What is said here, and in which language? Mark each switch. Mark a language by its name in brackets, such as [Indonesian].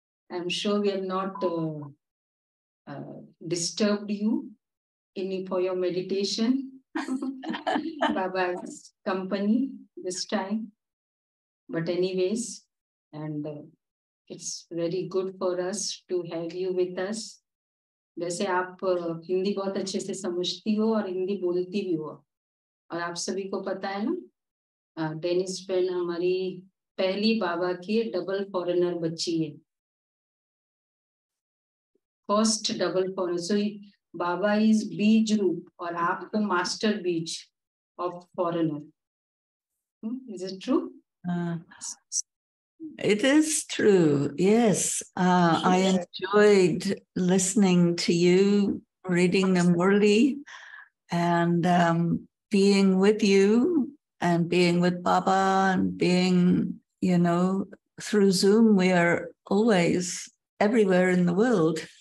[English] I'm sure we have not disturbed you in for your meditation. Baba's company this time, but anyways, and it's very good for us to have you with us. [Hindi] वैसे आप हिंदी बहुत अच्छे से समझती हो और हिंदी बोलती भी हो और आप सभी को पता है ना डेनिस पेन हमारी पहली बाबा की डबल फॉरेनर बच्ची है first double foreigner so Baba is बीज रूप और आप तो मास्टर बीज of foreigner [English] Is it true It is true, yes. I enjoyed listening to you, reading the Murli, and being with you, and being with Baba, and being, you know, through Zoom, we are always everywhere in the world.